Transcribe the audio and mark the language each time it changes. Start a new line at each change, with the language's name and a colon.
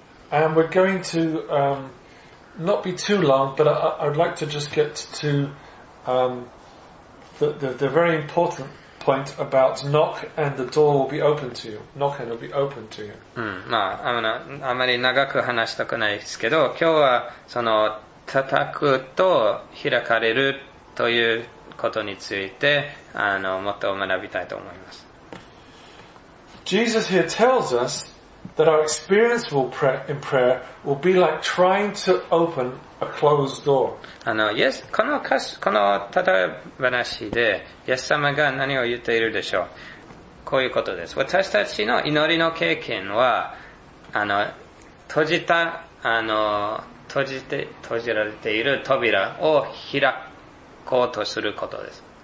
English: And we're going to not be too long, but I'd like to just get to the very important point about knock and the door will be open to you. Knock and it'll be open to you.
Japanese: まあ、あまり長く話したくないですけど、今日はその叩くと開かれるということについてもっと学びたいと思います。
English: Jesus here tells us that our experience will in prayer will be like trying to open a closed door.
Japanese: Yes, この例え話で、イエス様が何を言っているでしょう。こういうことです。私たちの祈りの経験は、閉じられている扉を開こうとすることです。